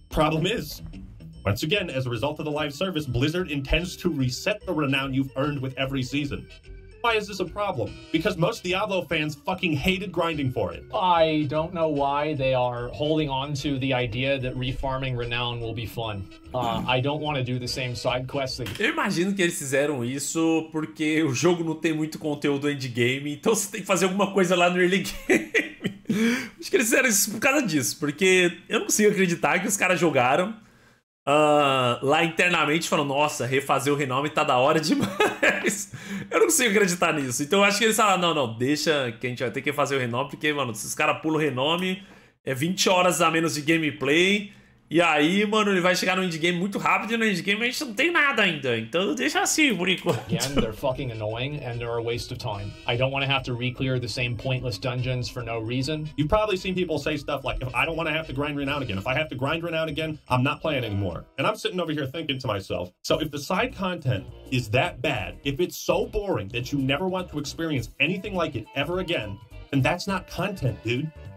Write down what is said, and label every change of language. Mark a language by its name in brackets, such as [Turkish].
[English] Problem is, once again, as a result of the live service, Blizzard intends to reset the renown you've earned with every season. Why is this a problem? Because most Diablo fans fucking hated grinding for it. I don't know why they are holding on to the idea that refarming renown will be fun. I don't want to do the same side quests. [Portuguese] Eu imagino que eles fizeram isso porque o jogo não tem muito conteúdo endgame, então você tem que fazer alguma coisa lá no early game. Acho que eles fizeram isso por causa disso, porque eu não consigo acreditar que os caras jogaram lá internamente e falaram, nossa, refazer o renome tá da hora demais. Eu não consigo acreditar nisso. Então eu acho que eles falaram, não, deixa que a gente vai ter que refazer o renome, porque, mano, se os caras pulam o renome, é 20 horas a menos de gameplay, e aí, mano, ele vai chegar no endgame muito rápido, e no endgame a gente não tem nada ainda. Então deixa assim, por enquanto. [English] Again, they're fucking annoying, and they're a waste of time. I don't want to have to re-clear the same pointless dungeons for no reason. You've probably seen people say stuff like, if I don't want to have to grind renown again, if I have to grind renown again, I'm not playing anymore. And I'm sitting over here thinking to myself, so if the side content is that bad, if it's so boring that you never want to experience anything like it ever again, then that's not content, dude.